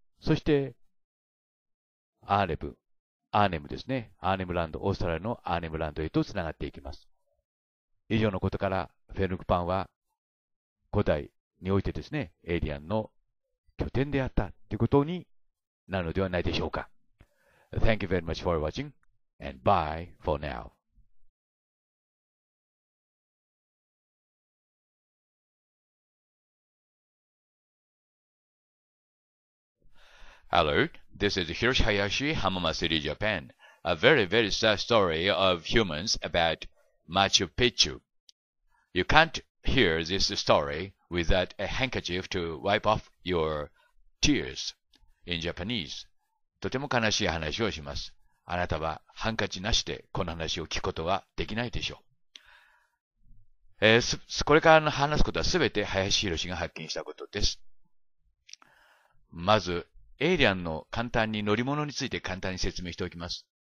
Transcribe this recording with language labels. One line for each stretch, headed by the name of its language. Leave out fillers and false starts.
Japanese: そして、アーネムですね。アーネムランド、オーストラリアのアーネムランドへと繋がっていきます。以上のことから、フェヌクパンは、古代においてですね、エイリアンの拠点であったということになるのではないでしょうか。
English: Thank you very much for watching, and bye for now. Hello, this is Hiroshihayashi, Hamama City, Japan. A very, very sad story of humans about Machu Picchu. You can't hear this story without a handkerchief to wipe off your tears in Japanese.
Japanese: とても悲しい話をします。あなたはハンカチなしでこの話を聞くことはできないでしょう。これからの話すことはすべて林博士が発見したことです。まず、エイリアンの簡単に乗り物について簡単に説明しておきます。